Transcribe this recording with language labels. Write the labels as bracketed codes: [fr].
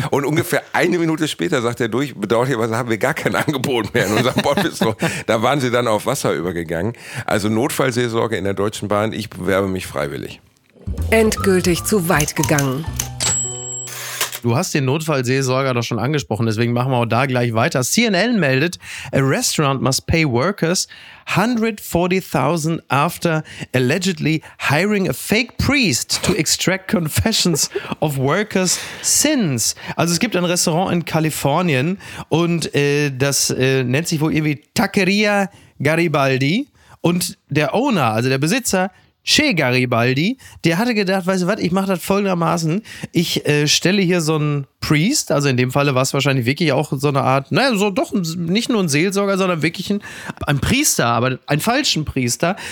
[de] Und ungefähr eine Minute später sagt er durch, bedauerlicherweise haben wir gar kein Angebot mehr in unserem Bordbistro. Da waren sie dann auf Wasser übergegangen. Also Notfallseelsorge in der Deutschen Bahn, ich bewerbe mich freiwillig. Endgültig zu weit gegangen. Du hast den Notfallseelsorger doch schon angesprochen, deswegen machen wir auch da gleich weiter. CNN meldet, [en] a restaurant must pay workers 140,000 after allegedly hiring a fake priest to extract confessions of workers' sins. [de] Also es gibt ein Restaurant in Kalifornien und das nennt sich wohl irgendwie Taqueria Garibaldi. Und der Owner, also der Besitzer, Che Garibaldi, der hatte gedacht, weißt du was, ich mache das folgendermaßen, ich stelle hier so einen Priest, also in dem Falle war es wahrscheinlich wirklich auch so eine Art, naja, so doch nicht nur ein Seelsorger, sondern wirklich ein Priester, aber einen falschen Priester,